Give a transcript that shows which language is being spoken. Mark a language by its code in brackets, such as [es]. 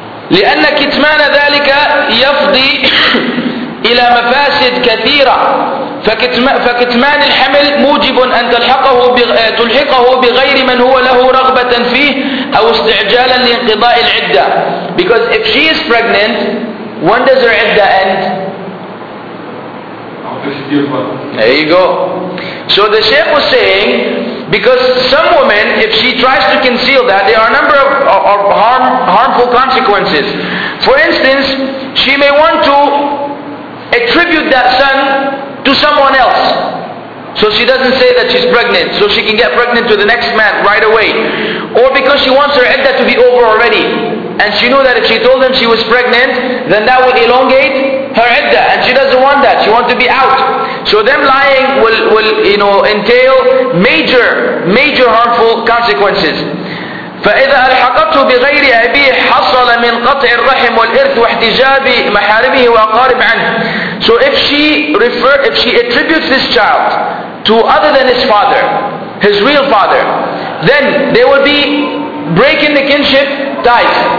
[ar] لأن كتمان ذلك يفضي إلى مفاسد كثيرة. فكتمان الحمل موجب أن تلحقه بغير من هو له رغبة فيه أو استعجالا لانقضاء العدة. [en] Because if she is pregnant, when does her عدة end? There you go. So the Shaykh was saying, because some women, if she tries to conceal that, there are a number of harmful consequences. For instance, she may want to attribute that son to someone else, so she doesn't say that she's pregnant, so she can get pregnant to the next man right away. Or because she wants her iddah to be over already, and she knew that if she told him she was pregnant, then that would elongate her iddah, and she doesn't want that, she wants to be out. So them lying will you know, entail major harmful consequences. [ar] فإذا ألحقته بغير أبيه حصل من قطع الرحم والإرث واحتجاب محارمه وأقارب عنه. [en] So if she attributes this child to other than his father, his real father, then they will be breaking the kinship ties.